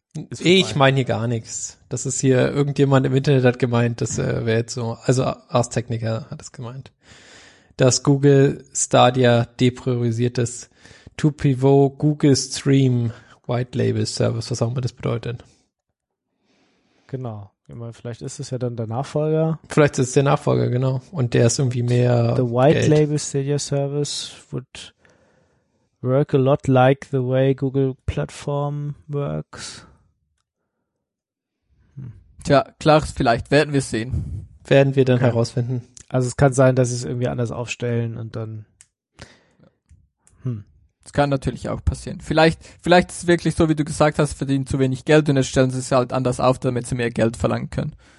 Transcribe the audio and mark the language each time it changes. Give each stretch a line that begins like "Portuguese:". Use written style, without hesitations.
German: Ich meine hier gar nichts. Das ist hier, irgendjemand im Internet hat gemeint, das wäre jetzt so, also Ars Technica hat es gemeint, dass Google Stadia depriorisiert das To-Pivot Google Stream White Label Service, was auch immer das bedeutet. Genau. Ich meine, vielleicht ist es ja dann der Nachfolger. Vielleicht ist es der Nachfolger, genau. Und der ist irgendwie mehr
English: The White Geld. Label Stadia Service would work a lot like the way Google Platform works.
German: Tja, klar, vielleicht werden wir es sehen. Werden wir dann herausfinden. Also es kann sein, dass sie es irgendwie anders aufstellen und dann. Es kann natürlich auch passieren. Vielleicht ist es wirklich so, wie du gesagt hast, verdienen zu wenig Geld und jetzt stellen sie es halt anders auf, damit sie mehr Geld verlangen können.